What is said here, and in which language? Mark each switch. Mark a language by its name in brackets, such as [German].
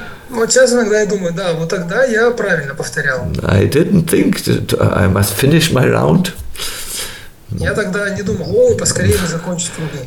[Russian] Вот сейчас иногда я думаю, да, вот тогда я правильно повторял. [English] I didn't think I must finish my round. [Russian] Я тогда не думал, о, поскорее бы закончить круги.